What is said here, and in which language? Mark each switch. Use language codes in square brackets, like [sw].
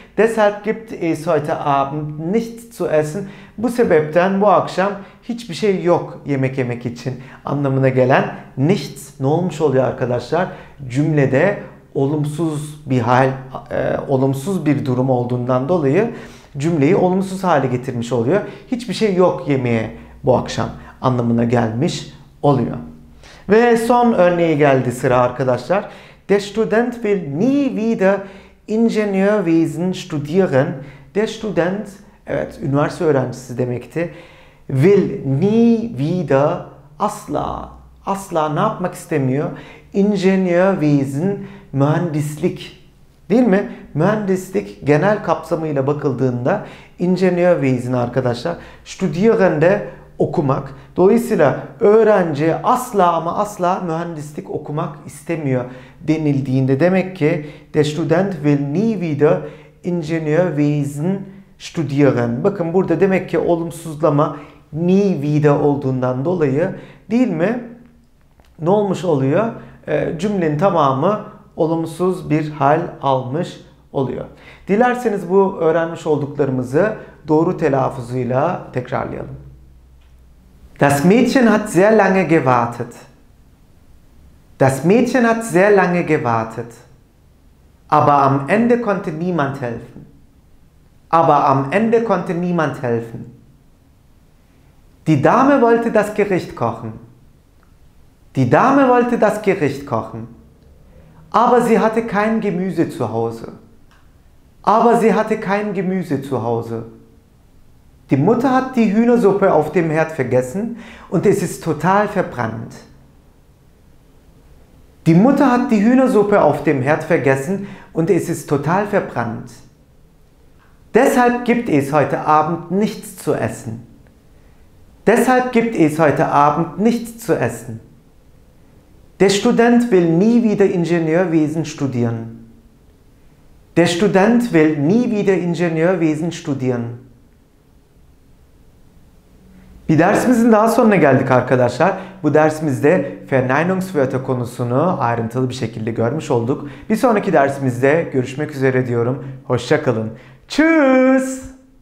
[de] Deshalb gibt es heute Abend nichts zu essen. [tr] Bu sebepten bu akşam hiçbir şey yok yemek yemek için anlamına gelen nichts, ne olmuş oluyor arkadaşlar? Cümlede olumsuz bir hal, olumsuz bir durum olduğundan dolayı cümleyi olumsuz hale getirmiş oluyor. Hiçbir şey yok yemeğe bu akşam anlamına gelmiş oluyor. Ve son örneğe geldi sıra arkadaşlar. [de] Der Student will nie wieder Ingenieurwesen studieren. Der Student, [tr] evet, üniversite öğrencisi demekti. [de] Will nie wieder, [tr] asla, asla ne yapmak istemiyor? Ingenieurwesen, mühendislik, değil mi? Mühendislik genel kapsamıyla bakıldığında Ingenieurwesen arkadaşlar, studieren de okumak. Dolayısıyla öğrenci asla ama asla mühendislik okumak istemiyor denildiğinde demek ki [de] der Student will nie wieder Ingenieurwesen studieren. [tr] Bakın burada demek ki olumsuzlama [de] nie wieder [tr] olduğundan dolayı, değil mi? Ne olmuş oluyor? Cümlenin tamamı olumsuz bir hal almış oluyor. Dilerseniz bu öğrenmiş olduklarımızı doğru telaffuzuyla tekrarlayalım. [de] Das Mädchen hat sehr lange gewartet. Das Mädchen hat sehr lange gewartet. Aber am Ende konnte niemand helfen. Aber am Ende konnte niemand helfen. Die Dame wollte das Gericht kochen. Die Dame wollte das Gericht kochen. Aber sie hatte kein Gemüse zu Hause. Aber sie hatte kein Gemüse zu Hause. Die Mutter hat die Hühnersuppe auf dem Herd vergessen und es ist total verbrannt. Die Mutter hat die Hühnersuppe auf dem Herd vergessen und es ist total verbrannt. Deshalb gibt es heute Abend nichts zu essen. Deshalb gibt es heute Abend nichts zu essen. Der Student will nie wieder Ingenieurwesen studieren. Der Student will nie wieder Ingenieurwesen studieren. [tr] Bir dersimizin daha sonuna geldik arkadaşlar. Bu dersimizde verneinungswörter konusunu ayrıntılı bir şekilde görmüş olduk. Bir sonraki dersimizde görüşmek üzere diyorum. Hoşça kalın. [de] Tschüss.